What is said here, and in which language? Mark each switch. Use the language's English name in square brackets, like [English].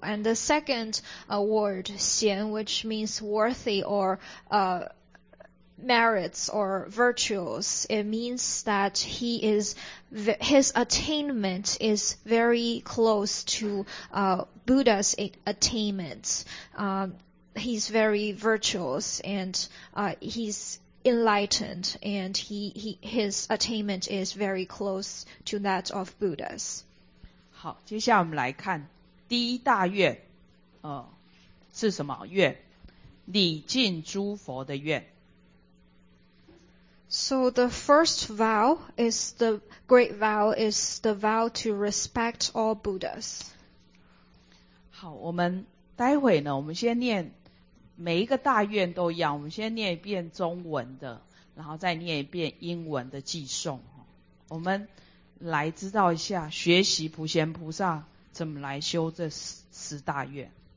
[English] And the second word, xian, which means worthy or merits or virtues, it means that he is, his attainment is very close to Buddha's attainment. He's very virtuous and he's enlightened, and his attainment is very close to that of Buddha's. [Chinese] 好，接下来我们来看第一大愿，是什么愿？礼敬诸佛的愿。 [English] So the first vow is the great vow is the vow to respect all Buddhas. [Chinese] 好，我们待会呢，我们先念每一个大愿都一样，我们先念一遍中文的，然后再念一遍英文的寄送。我们来知道一下学习普贤菩萨怎么来修这 十大愿。